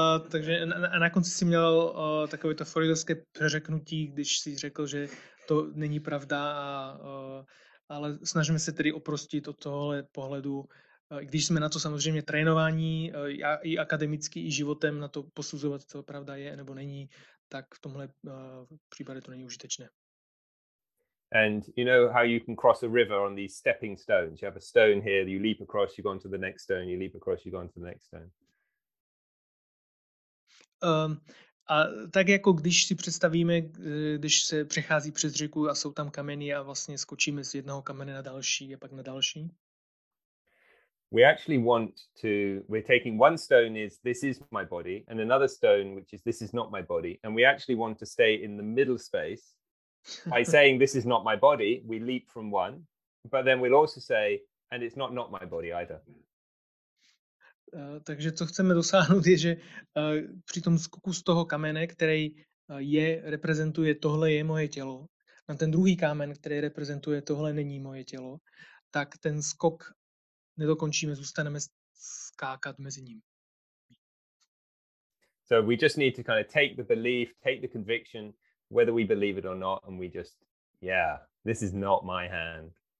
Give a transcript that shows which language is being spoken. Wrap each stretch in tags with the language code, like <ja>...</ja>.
<cs>Takže na konci si měl takové to freudovské přeřeknutí, když si řekl, že to není pravda, ale snažíme se tedy oprostit od tohohle pohledu. Když jsme na to samozřejmě trénování, i akademicky, i životem na to posuzovat, co pravda je nebo není, tak v tomhle případě to není užitečné.</cs> <en>And you know how you can cross a river on these stepping stones. You have a stone here, you leap across, you go on to the next stone, you leap across, you go on to the next stone.</en> <cs>A tak jako když si představíme, když se přechází přes řeku a jsou tam kameny a vlastně skočíme z jednoho kamene na další a pak na další.</cs> <en>We actually want to, we're taking one stone is this is my body and another stone, which is this is not my body. And we actually want to stay in the middle space by saying this is not my body. We leap from one, but then we'll also say, and it's not my body either.</en> <cs>Takže co chceme dosáhnout je, že při tom skoku z toho kamene, který reprezentuje tohle je moje tělo, na ten druhý kámen, který reprezentuje tohle není moje tělo, tak ten skok nedokončíme, zůstaneme skákat mezi ním.</cs> <en>So we just need to kind of take the belief, take the conviction, whether we believe it or not, and we just, yeah, this is not my hand.</en>